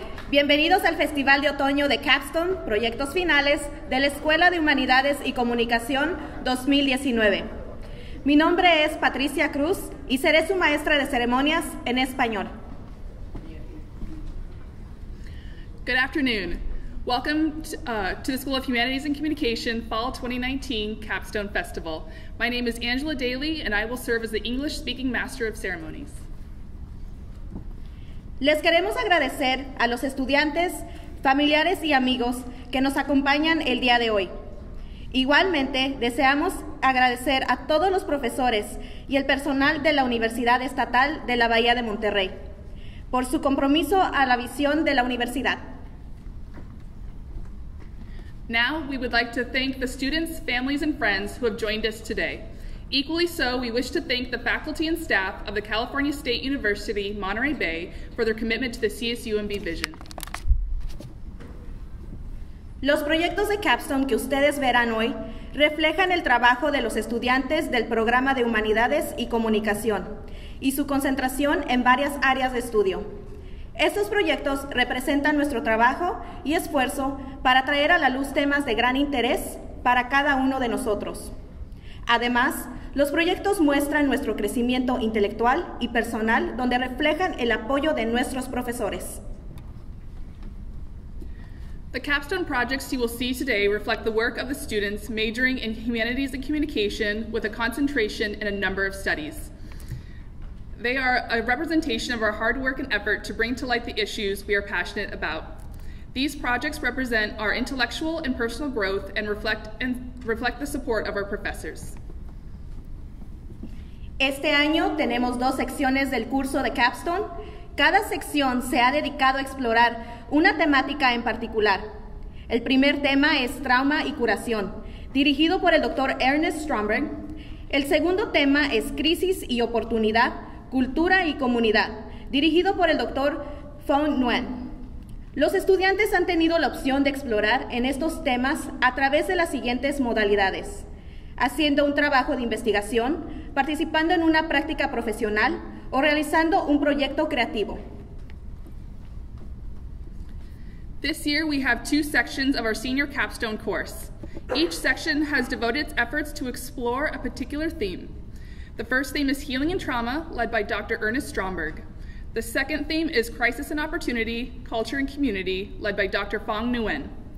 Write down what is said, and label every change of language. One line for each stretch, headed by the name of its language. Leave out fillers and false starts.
Spanish: Bienvenidos al Festival de Otoño de Capstone, proyectos finales de la Escuela de Humanidades y Comunicación 2019. Mi nombre es Patricia Cruz y seré su maestra de ceremonias en español.
English: Good afternoon. Welcome to the School of Humanities and Communication Fall 2019 Capstone Festival. My name is Angela Daly and I will serve as the English speaking master of ceremonies.
Spanish: Les queremos agradecer a los estudiantes, familiares y amigos que nos acompañan el día de hoy. Igualmente, deseamos agradecer a todos los profesores y el personal de la Universidad Estatal de la Bahía de Monterrey por su compromiso a la visión de la universidad.
English: Now, we would like to thank the students, families, and friends who have joined us today. Equally so, we wish to thank the faculty and staff of the California State University, Monterey Bay, for their commitment to the CSUMB vision.
Spanish: Los proyectos de Capstone que ustedes verán hoy reflejan el trabajo de los estudiantes del programa de Humanidades y Comunicación y su concentración en varias áreas de estudio. Estos proyectos representan nuestro trabajo y esfuerzo para traer a la luz temas de gran interés para cada uno de nosotros. Además, los proyectos muestran nuestro crecimiento intelectual y personal, donde reflejan el apoyo de nuestros profesores.
English: The capstone projects you will see today reflect the work of the students majoring in humanities and communication with a concentration in a number of studies. They are a representation of our hard work and effort to bring to light the issues we are passionate about. These projects represent our intellectual and personal growth and reflect the support of our professors.
Spanish: Este año tenemos dos secciones del curso de Capstone. Cada sección se ha dedicado a explorar una temática en particular. El primer tema es trauma y curación, dirigido por el Dr. Ernest Stromberg. El segundo tema es crisis y oportunidad, cultura y comunidad, dirigido por el Dr. Phuong Nguyen. Los estudiantes han tenido la opción de explorar en estos temas a través de las siguientes modalidades: haciendo un trabajo de investigación, participando en una práctica profesional o realizando un proyecto creativo.
English: This year we have two sections of our senior capstone course. Each section has devoted its efforts to explore a particular theme. The first theme is healing and trauma, led by Dr. Ernest Stromberg. The second theme is crisis and opportunity, culture and community, led by Dr. Phuong Nguyen.